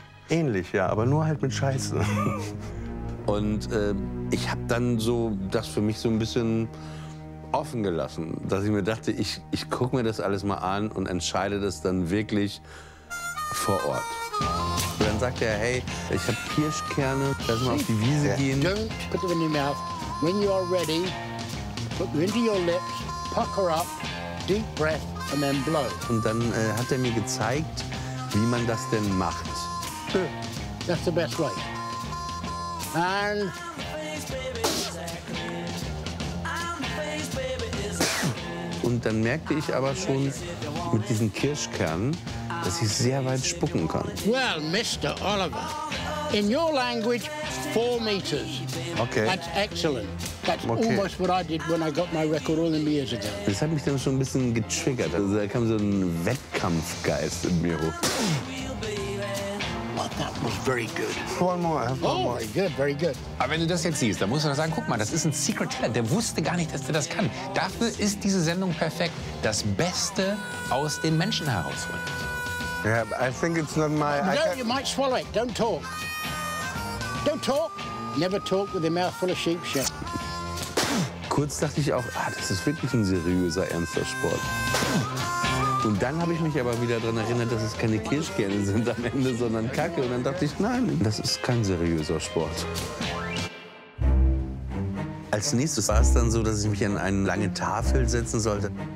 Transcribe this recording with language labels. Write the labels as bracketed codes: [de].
[de] Ähnlich, ja, aber nur halt mit Scheiße. Und ich habe dann so das für mich so ein bisschen offen gelassen, dass ich mir dachte, ich gucke mir das alles mal an und entscheide das dann wirklich vor Ort. Und dann sagt er, hey, ich habe Kirschkerne, lass mal auf die Wiese gehen. [en] Don't put them in your mouth. When you are ready, put them into your lips, pucker up, deep breath and then blow. [de] Und dann hat er mir gezeigt, wie man das denn macht. [en] That's the best way. And [de] und dann merkte ich aber schon mit diesen Kirschkernen, dass ich sehr weit spucken kann. [en] Well, Mr. Oliver, in your language, 4 meters. Okay. That's excellent. That's okay. Almost what I did when I got my record all them years ago. [de] Das hat mich dann schon ein bisschen getriggert. Also da kam so ein Wettkampfgeist in mir hoch. [en] Very good. One more. Very good. [de] Aber wenn du das jetzt siehst, dann musst du doch sagen, guck mal, das ist ein Secret Talent. Der wusste gar nicht, dass der das kann. Dafür ist diese Sendung perfekt. Das Beste aus den Menschen herausholen. [en] Yeah, I think it's not my... No, you might swallow it. Don't talk. Don't talk. Never talk with a mouth full of sheep shit. [de] Kurz dachte ich auch, ah, das ist wirklich ein seriöser, ernster Sport. Und dann habe ich mich aber wieder daran erinnert, dass es keine Kirschkerne sind am Ende, sondern Kacke. Und dann dachte ich, nein, das ist kein seriöser Sport. Als nächstes war es dann so, dass ich mich an eine lange Tafel setzen sollte.